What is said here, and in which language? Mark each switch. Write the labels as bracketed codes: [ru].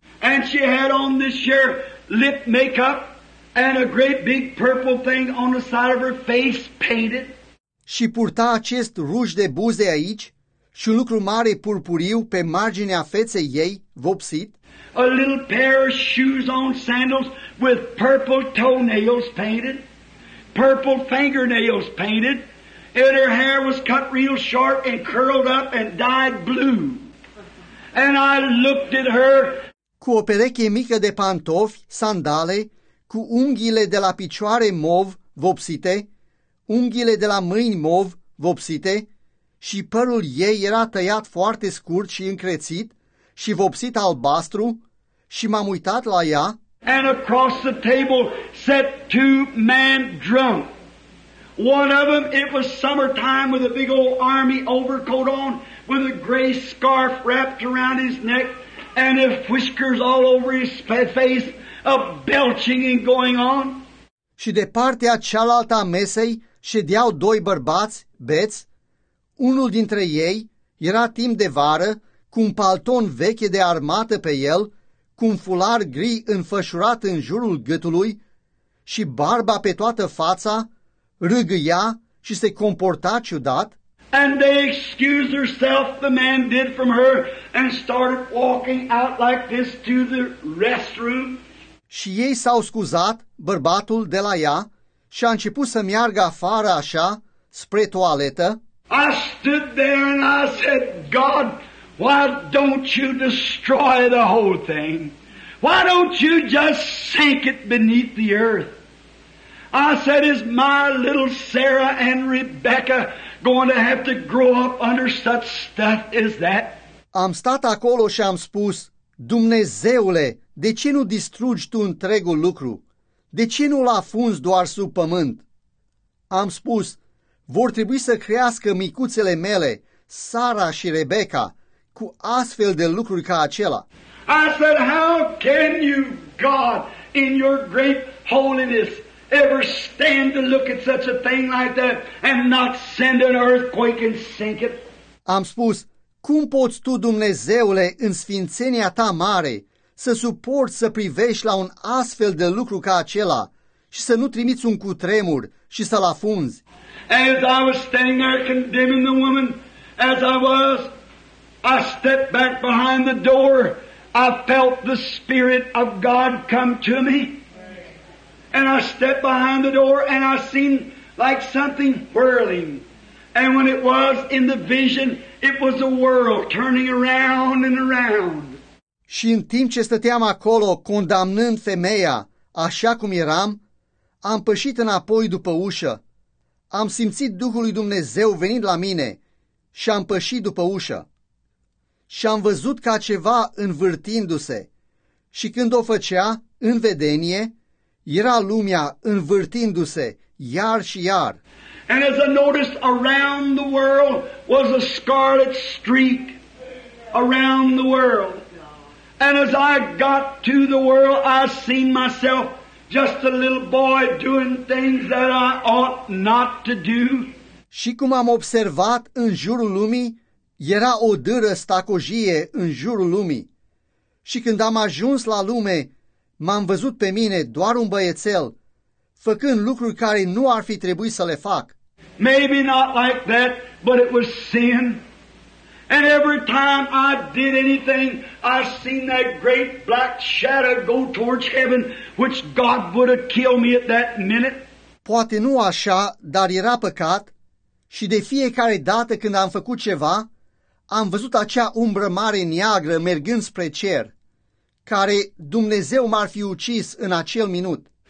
[en] And she had on this year lip makeup and a great big purple thing on the side of her face painted. [ro] Și purta acest ruj de buze aici și un lucru mare purpuriu pe marginea feței ei, vopsit. [en] A little pair of shoes on, sandals with purple toenails painted, purple fingernails painted, and her hair was cut real short and curled up and dyed blue. And I looked at her. [ro] Cu o pereche mică de pantofi, sandale, cu unghiile de la picioare mov vopsite, unghiile de la mâini mov vopsite și părul ei era tăiat foarte scurt și încrețit și vopsit albastru și m-am uitat la ea. [en] And across the table sat two men drunk. One of them, it was summertime with a big old army overcoat on, with a gray scarf wrapped around his neck, and his whiskers all over his face, a belching and going on. [ro] Și de partea cealaltă a mesei ședeau doi bărbați, beți. Unul dintre ei era timp de vară, cu un palton veche de armată pe el, cu un fular gri înfășurat în jurul gâtului și barba pe toată fața, râgâia și se comporta ciudat. [en] And they excused herself, the man did from her, and started walking out like this to the restroom. [ro] Și ei s-au scuzat, bărbatul, de la ea și a început să meargă afară așa, spre toaletă. [en] I stood there and I said, God, why don't you destroy the whole thing? Why don't you just sink it beneath the earth? I said, is my little Sarah and Rebecca going to have to grow up under such stuff as that? [ro] Am stat acolo și am spus, Dumnezeule, de ce nu distrugi tu întregul lucru? De ce nu-l afunzi doar sub pământ? Am spus, vor trebui să crească micuțele mele, Sara și Rebecca, cu astfel de lucruri ca acela. [en] I said, how can you, God, in your great holiness, ever stand to look at such a thing like that and not send an earthquake and sink it? [ro] Am spus, cum poți tu, Dumnezeule, în sfințenia ta mare, să suporți să privești la un astfel de lucru ca acela și să nu trimiți un cutremur și să-l afunzi? [en] As I was standing there condemning the woman, as I was, I stepped back behind the door. I felt the Spirit of God come to me. And I stepped behind the door and I seen like something whirling. And when it was in the vision, it was a world turning around and around. [ro] Și în timp ce stăteam acolo condamnând femeia, așa cum eram, am pășit înapoi după ușă. Am simțit Duhul lui Dumnezeu venind la mine și am pășit după ușă. Și am văzut ca ceva învârtindu-se. Și când o făcea, în vedenie, era lumea învârtindu-se iar și iar. [en] And as I noticed around the world was a scarlet streak around the world. And as I got to the world, I seen myself just a little boy doing things that I ought not to do. [ro] Și cum am observat în jurul lumii, era o dâră stacojie în jurul lumii. Și când am ajuns la lume, m-am văzut pe mine doar un băiețel, făcând lucruri care nu ar fi trebuit să le fac. [en] Maybe not like that, but it was sin. And every time I did anything, I seen that great black shadow go towards heaven, which God would have killed me at that minute. [ro] Poate nu așa, dar era păcat și de fiecare dată când am făcut ceva, am văzut acea umbră mare neagră mergând spre cer, care Dumnezeu m-ar fi ucis în acel minut.